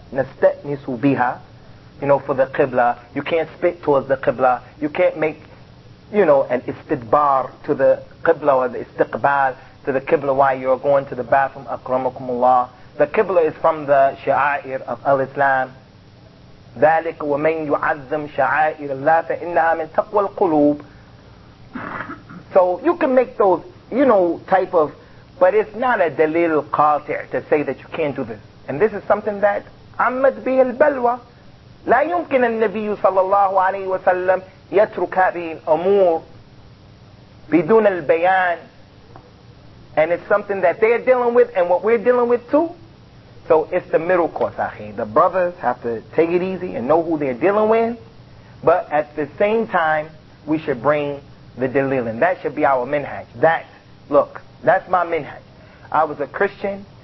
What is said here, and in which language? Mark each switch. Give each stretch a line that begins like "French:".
English: Nastitnisu biha, you know, for the qibla. You can't spit towards the qibla. You can't make, you know, an istidbar to the qibla or the istiqbal to the qibla while you're going to the bathroom. Akramakumullah. The qibla is from the sha'air of al-Islam.
Arabic: ذلك ومن يعظم شعائر الله فإنها من تقوى القلوب.
English: So you can make those, you know, type of, but it's not a dalil qati to say that you can't do this. And this is something that
Arabic: عمد به البلوى. لا يمكن النبي صلى الله عليه وسلم يترك هذه الأمور بدون البيان.
English: And it's something that they're dealing with and what we're dealing with too. So it's the middle course, akhi. The brothers have to take it easy and know who they're dealing with. But at the same time, we should bring the dalil. That should be our minhaj. That, look, that's my minhaj. I was a Christian.